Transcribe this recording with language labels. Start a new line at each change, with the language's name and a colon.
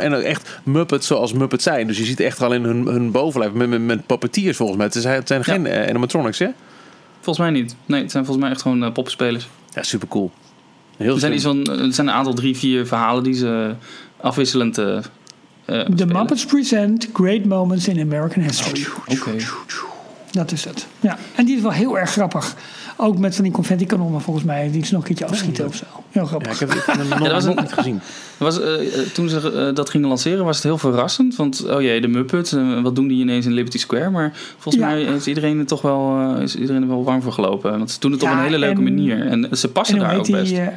Dutch: En echt Muppets zoals Muppets zijn. Dus je ziet echt alleen hun bovenlijf met puppeteers volgens mij. Het zijn geen animatronics, hè? Volgens mij niet. Nee, het zijn volgens mij echt gewoon poppenspelers. Ja, super cool. Er zijn een aantal 3-4 verhalen die ze afwisselend
English: The Muppets present great moments in American history. Okay.
Dutch: Dat is het. Ja. En die is wel heel erg grappig. Ook met van die confetti kanonnen volgens mij. Die ze nog een keertje afschieten of zo. Heel grappig. Ja, ik heb het nog niet gezien. Toen ze dat gingen lanceren was het heel verrassend. Want oh jee, de Muppets. Wat doen die ineens in Liberty Square? Maar volgens mij is iedereen er toch wel, is iedereen er wel warm voor gelopen. Want ze doen het op een hele leuke manier. En ze passen daar ook best.